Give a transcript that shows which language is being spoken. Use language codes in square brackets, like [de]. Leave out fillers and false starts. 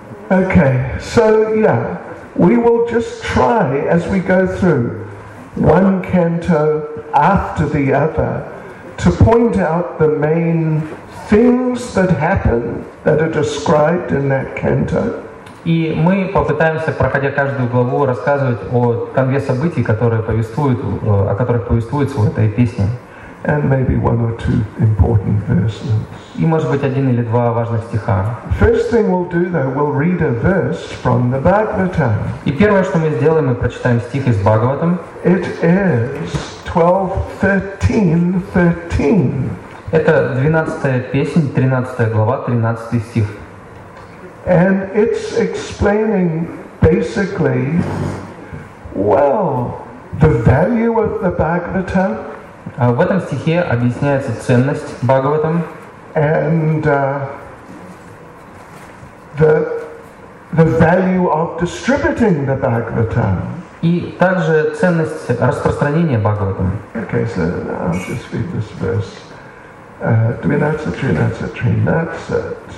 [en] Okay, so yeah, we will just try as we go through one canto after the other to point out the main things that happen that are described in that canto. [ru] И мы попытаемся, проходя каждую главу, рассказывать о конве событий, которые повествуют, о которых повествуется в этой песне. [en] And maybe 1 or 2 important verses. [ru] И может быть 1 или 2 важных стиха. [en] First thing we'll do though, we'll read a verse from the Bhagavatam. [ru] И первое, что мы сделаем, мы прочитаем стих из Бхагаватам. [en] It is 12:13:13. [ru] Это 12-я песнь, 13-я глава, 13-й стих. [en] And it's explaining basically, well, the value of the Bhagavatam. [ru] В этом стихе объясняется ценность Бхагаватам. [en] And the value of distributing the Bhagavatam. [ru] И также ценность распространения Бхагаватам. [en] Okay, so I'll just read this verse. Dvinatsa-trinatsa-trinatsat.